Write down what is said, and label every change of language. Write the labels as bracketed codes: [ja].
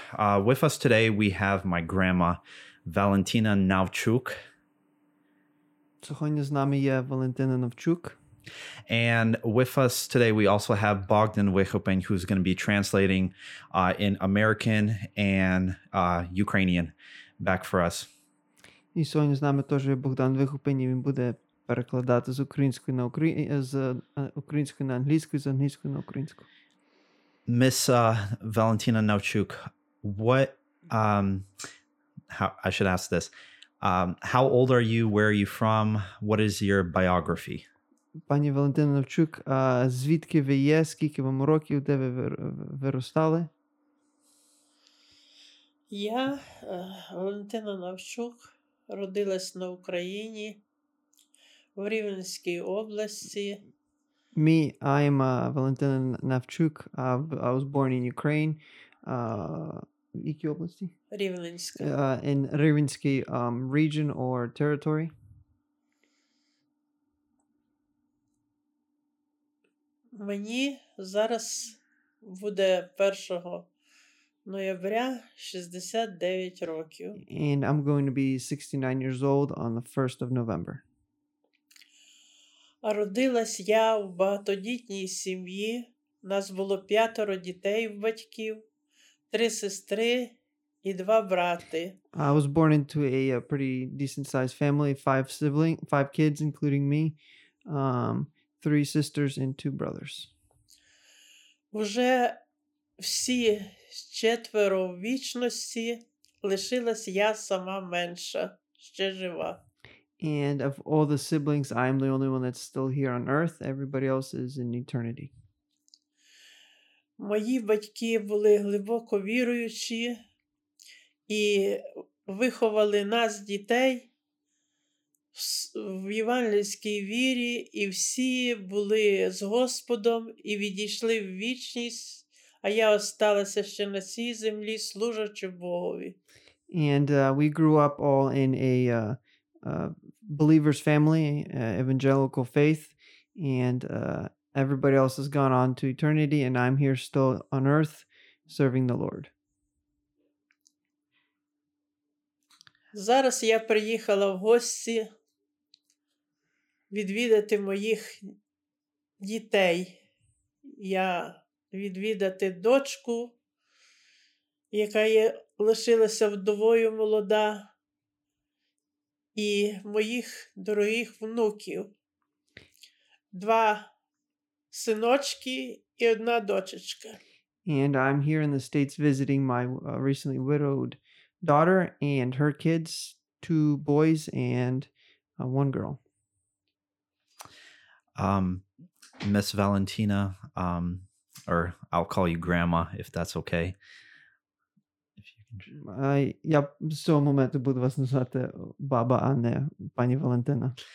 [en] With us today, we have my grandma, Valentina Navchuk. [ru] Сегодня с нами є Валентина Навчук. [en] And with us today, we also have Bogdan Wichopen, who's going to be translating in American and Ukrainian back for us. [uk] І сьогодні з нами теж Богдан Вихопин, і він буде перекладати з української на української на англійську, з англійської на українську. [en] Miss Valentina Navchuk, what I should ask this. How old are you? Where are you from? What is your biography? [uk] Пані Валентина Навчук, звідки ви є? Скільки вам років? Де ви виростали? Я Валентина Навчук. Родилась на Україні, в Рівненській області. [en] Me, I am Valentina Navchuk. I was born in Ukraine. [uk] В якій області? Рівненська. [en] In Рівненській region or territory. [uk] Мені зараз буде 1 ноября 69 років. [en] And I'm going to be 69 years old on the 1st of November. [uk] А родилась я в багатодітній сім'ї. Нас було 5 дітей в батьків, 3 сестри і 2 брати. [en] I was born into a pretty decent sized family, 5 kids including me. 3 sisters and 2 brothers. [uk] Уже всі четверо вічності лишилась я сама менша, ще жива. [en] And of all the siblings, I am the only one that's still here on earth. Everybody else is in eternity. [uk] Мої батьки були глибоко віруючі і виховали нас, дітей, в євангельській вірі, і всі були з Господом і відійшли в вічність. А я осталася ще на цій землі, служачи Богові. [en] And we grew up all in a believer's family, evangelical faith, and everybody else has gone on to eternity, and I'm here still on earth serving the Lord. [uk] Зараз я приїхала в гості відвідати моїх дітей. Я відвідати дочку, яка є лишилася вдовою молода, і моїх дорогих внуків. 2 синочки і 1 дочечка. [en] And I'm here in the States visiting my recently widowed daughter and her kids, 2 boys and 1 girl. Miss Valentina, or I'll call you grandma if that's okay. [uk] Я в цьому моменту буду вас називати баба, а не пані Валентина.